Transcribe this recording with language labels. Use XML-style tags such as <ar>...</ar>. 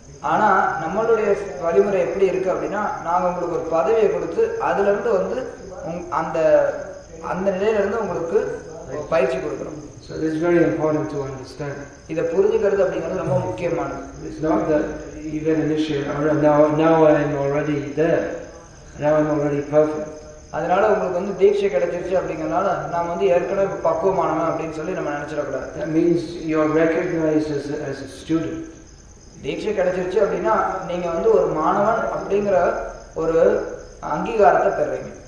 <ta>ஆனா நம்மளுடைய வழிமுறை எப்படி இருக்கு அப்படின்னா நாங்க உங்களுக்கு ஒரு பதவியை கொடுத்து அதுல இருந்து வந்து அந்த அந்த நிலையில இருந்து உங்களுக்கு பயிற்சி கொடுக்கிறோம்.</ta> <en>So this is very important to understand.</en> <ta>இத புரிஞ்சிக்கிறது அப்படிங்கிறது ரொம்ப முக்கியமானது.</ta> <en>It's not that even initiate, now I'm already there, now I'm already perfect.</en> <ta>அதனால உங்களுக்கு வந்து தீட்சை கிடைச்சிருச்சு அப்படிங்கறனால நாம வந்து ஏற்கனவே பக்குவமானவன் அப்படின்னு சொல்லி நம்ம நினைச்சிடக்கூடாது.</ta> <en>That means you are recognized as a student.</en> <ta>தீட்சை கிடைச்சிருச்சு அப்படின்னா நீங்க வந்து ஒரு மாணவன் அப்படிங்கிற ஒரு அங்கீகாரத்தை பெறுறீங்க.</ta>